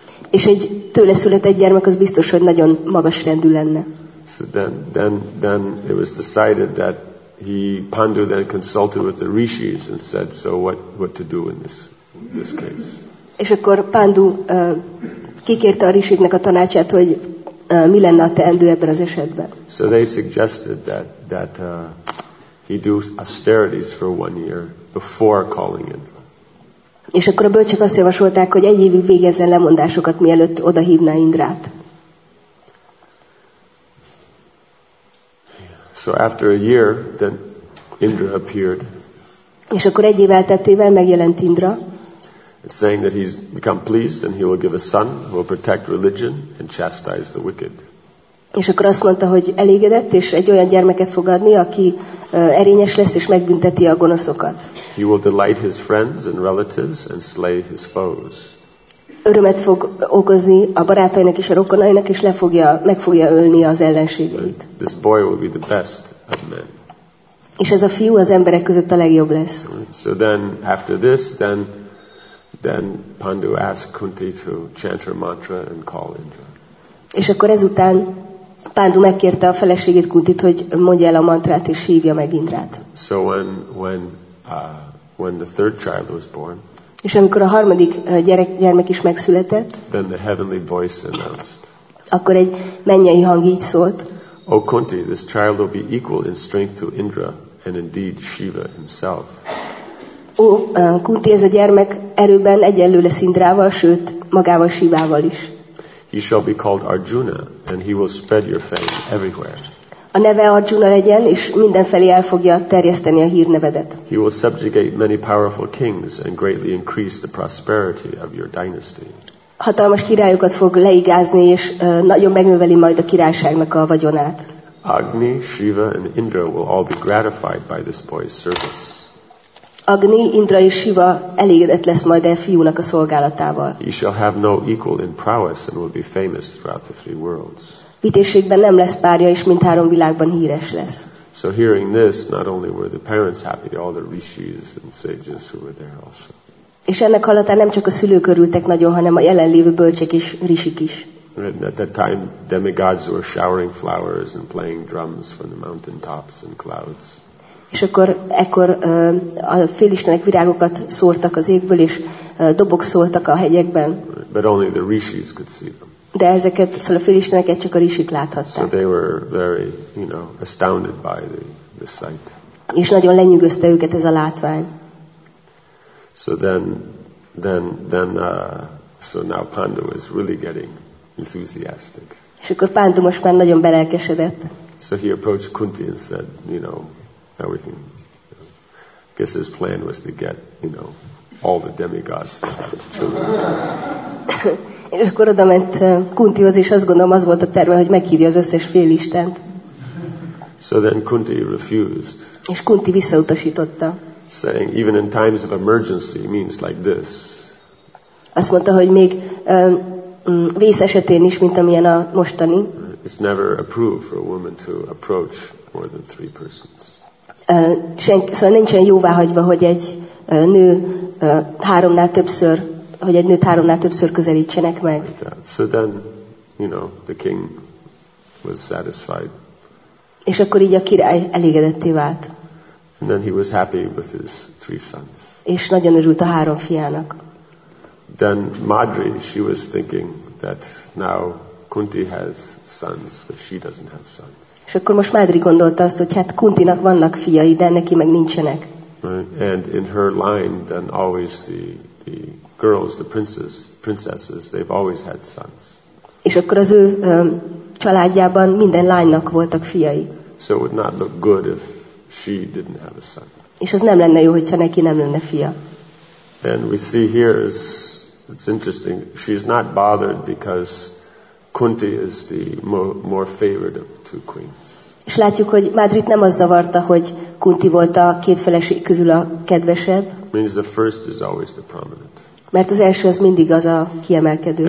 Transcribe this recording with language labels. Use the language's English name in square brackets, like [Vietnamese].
[Hungarian] És egy tőle született gyermek az biztos, hogy nagyon magas rendű lenne. [English] So then it was decided that Pandu then consulted with the rishis and said, so what to do in this case. [Hungarian] És akkor Pandu kikérte a rishiknek a tanácsát, hogy mi lenne a teendő ebben az esetben. [English] So they suggested that he do austerities for one year before calling in. [Hungarian] És akkor a bölcsek azt javasolták, hogy egy évig végezzen lemondásokat, mielőtt oda hívná Indrát. [English] So after a year, then Indra appeared. [Hungarian] És akkor egy év elteltével megjelent Indra. [English] It's saying that he's become pleased and he will give a son who will protect religion and chastise the wicked. [Hungarian] És akkor azt mondta, hogy elégedett, és egy olyan gyermeket fog adni, aki erényes lesz és megbünteti a gonoszokat. [English] He will delight his friends and relatives and slay his foes. [Hungarian] Örömet fog okozni a barátainak és a rokonainak, és meg fogja ölni az ellenségeit. [English] This boy will be the best of men. [Hungarian] És ez a fiú az emberek között a legjobb lesz. [English] So then, after this, then Pandu asked Kunti to chant her mantra and call Indra. [Hungarian] És akkor ezután Pandu megkérte a feleségét Kuntit, hogy mondja el a mantrát és hívja meg Indrát. [English] So when the third child was born, [Hungarian] és amikor a harmadik gyermek is megszületett, [English] then the heavenly voice announced, [Hungarian] akkor egy mennyei hang így szólt: [English] O Kunti, this child will be equal in strength to Indra and indeed Shiva himself. [Hungarian] O Kunti, ez a gyermek erőben egyenlő lesz Indrával, sőt magával Shivával is. [English] He shall be called Arjuna and he will spread your fame everywhere. [Hungarian] A neve Arjuna legyen, és mindenfelé el fogja terjeszteni a hírnevedet. [English] He will subjugate many powerful kings and greatly increase the prosperity of your dynasty. [Hungarian] Hatalmas királyokat fog leigázni, és nagyon megnöveli majd a királyságnak a vagyonát. [English] Agni, Shiva and Indra will all be gratified by this boy's service. [Hungarian] Agni, Indra és Shiva elégedett lesz majd a fiúnak a szolgálatával. [English] He shall have no equal in prowess and will be famous throughout the three worlds. [Hungarian] Vitézségben nem lesz párja, és mint három világban híres lesz. [English] So hearing this, not only were the parents happy, all the rishis and sages who were there also. [Hungarian] És ennek hallatán nem csak a szülők örültek nagyon, hanem a jelenlévő bölcsek és rishik is. [English] And at that time, demigods were showering flowers and playing drums from the mountain tops and clouds. [Hungarian] És akkor ekkor a félistenek virágokat szórtak az égből, és dobok szóltak a hegyekben. [English] But only the rishis could see them. [Hungarian] De ezeket, szóval a félisteneket csak a rishik láthatták. [English] So they were very, you know, astounded by the sight. [Hungarian] És nagyon lenyűgözte őket ez a látvány. [English] So then now Pandu is really getting enthusiastic. [Hungarian] És akkor Pandu most már nagyon belelkesedett. [English] So he approached Kunti and said, you know, Now we can, you know, I guess his plan was to get, you know, all the demigods to have children. [Hungarian] És akkor oda ment Kuntihoz, és azt gondolom, az volt a terve, hogy meghívja az összes félistent. [English] So then Kunti refused. [Hungarian] És Kunti visszautasította. [English] Saying even in times of emergency means like this. [Hungarian] Azt mondta, hogy még vész esetén is, mint amilyen a mostani. [English] It's never approved for a woman to approach more than three persons. [Hungarian] Szóval nincsen jóváhagyva, hogy egy nő háromnál többször, hogy egy nőt háromnál többször közelítsenek meg. [English] Like so then, you know, the king was satisfied. [Hungarian] És akkor így a király elégedetté vált. [English] And then he was happy with his three sons. [Hungarian] És nagyon örült a három fiának. [English] Then Madri, she was thinking that now Kunti has sons, but she doesn't have sons. [Hungarian] És akkor most Madri gondolta azt, hogy hát Kuntinak vannak fiai, de neki meg nincsenek. [English] Right. And in her line, then always the girls, the princesses, they've always had sons. [Hungarian] És akkor az ő családjában minden lánynak voltak fiai. [English] So it would not look good if she didn't have a son. [Hungarian] És az nem lenne jó, hogyha neki nem lenne fia. [English] And we see here is it's interesting. She's not bothered because Kunti is the more favored of the two queens. [Hungarian] És látjuk, hogy Madrit nem az zavarta, hogy Kunti volt a két feleség közül a kedvesebb. [English] Means the first is always the prominent. [Hungarian] Mert az első az mindig az a kiemelkedő.